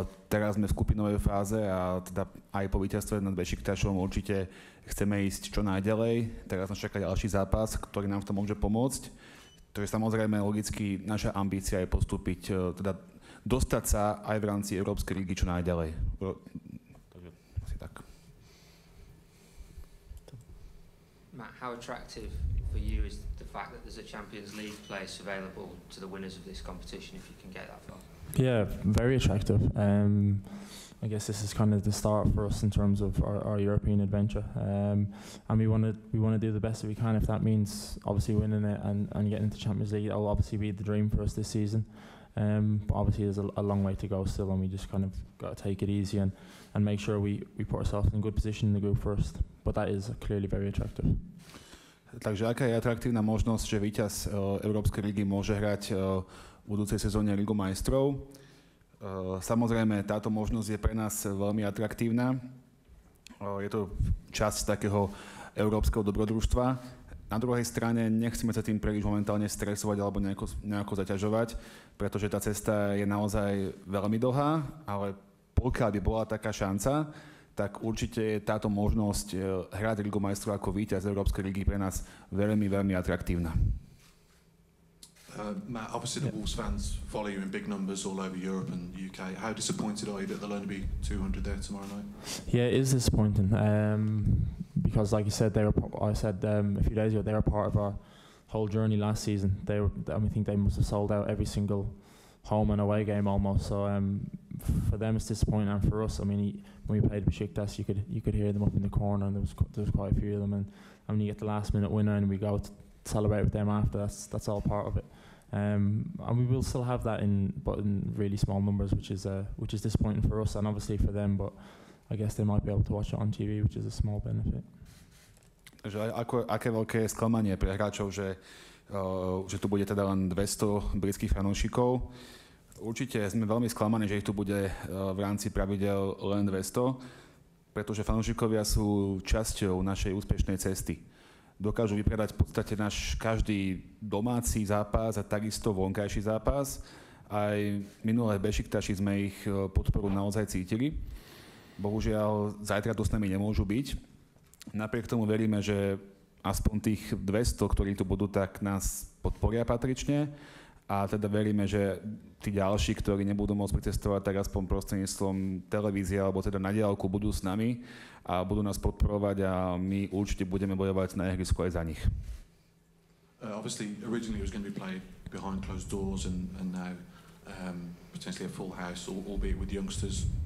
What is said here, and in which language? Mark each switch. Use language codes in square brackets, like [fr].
[sk] Teraz sme v skupinovej fáze a teda aj po víťazstve nad Bešiktašom určite chceme ísť čo najďalej. Teraz nás čaká ďalší zápas, ktorý nám v tom môže pomôcť. To je samozrejme logicky naša ambícia je postúpiť, teda dostať sa aj v rámci Európskej ligy čo najďalej. Takže asi tak. [en] Matt, how attractive for you is the fact that there's a Champions League place available to the winners of this competition if you can get that far? Yeah, very attractive. I guess this is kind of the start for us in terms of our European adventure. And we want to do the best that we can. If that means obviously winning it and getting into Champions League, that will obviously be the dream for us this season. But obviously there's a long way to go still, and we just kind of got to take it easy and make sure we put ourselves in good position in the group first. But that is clearly very attractive. [sk] Takže aká je atraktívna možnosť, že víťaz Európskej ligy môže hrať v budúcej sezóne Ligu majstrov. Samozrejme, táto možnosť je pre nás veľmi atraktívna. Je to časť takého európskeho dobrodružstva. Na druhej strane, nechceme sa tým príliš momentálne stresovať alebo nejako zaťažovať, pretože tá cesta je naozaj veľmi dlhá, ale pokiaľ by bola taká šanca, tak určite je táto možnosť hrať Ligu majstrov ako víťaz Európskej ligy pre nás veľmi, veľmi atraktívna. [en] Matt, obviously the Wolves fans follow you in big numbers all over Europe and UK. How disappointed are you that there'll only be 200 there tomorrow night? Yeah, it is disappointing. Because like you said, I said a few days ago, they were part of our whole journey last season. I think they must have sold out every single home and away game almost. So for them it's disappointing, and for us, I mean, when we played Besiktas, you could hear them up in the corner, and there was quite a few of them. And you get the last minute winner and we go to celebrate with them after, that's all part of it. And we will still have that but in really small numbers, which is disappointing for us and obviously for them, but I guess they might be able to watch it on TV, which is a small benefit. [sk] Takže aké veľké sklamanie pre hráčov, že tu bude teda len 200 britských fanúšikov. Určite sme veľmi sklamaní, že ich tu bude v rámci pravidel len 200, pretože fanúšikovia sú časťou našej úspešnej cesty. Dokážu vypredať v podstate náš každý domáci zápas a takisto vonkajší zápas. Aj minulé Bešiktaši sme ich podporu naozaj cítili. Bohužiaľ, zajtra tu s nami nemôžu byť. Napriek tomu veríme, že aspoň tých 200, ktorí tu budú, tak nás podporia patrične. A teda veríme, že tí ďalší, ktorí nebudú môcť pricestovať, tak aspoň prostredníctvom televízie alebo teda na diaľku budú s nami a budú nás podporovať a my určite budeme bojovať na ihrisku aj za nich. [en] Obviously originally it was going to be played behind closed doors and now potentially a full house, albeit with youngsters.